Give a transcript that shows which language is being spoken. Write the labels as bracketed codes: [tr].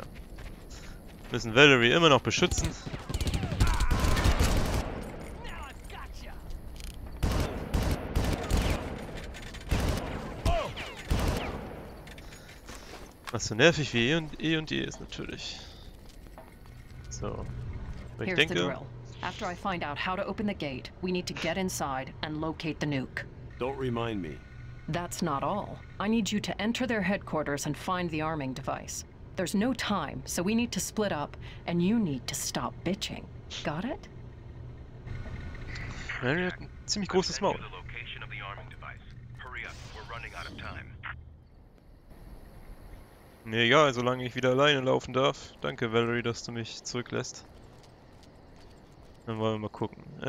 [de] Wir müssen Valerie immer noch beschützen. So nervig wie E und E ist natürlich. So. Aber ich denke. [en] After I find out how to open the gate, we need to get inside and locate the nuke. Don't remind me. That's not all. I need you to enter their headquarters and find the arming device. There's no time, so we need to split up and you need to stop bitching. Got it? [de] Mary hat ein ziemlich großes Maul. Egal, solange ich wieder alleine laufen darf. Danke, Valerie, dass du mich zurücklässt. Dann wollen wir mal gucken.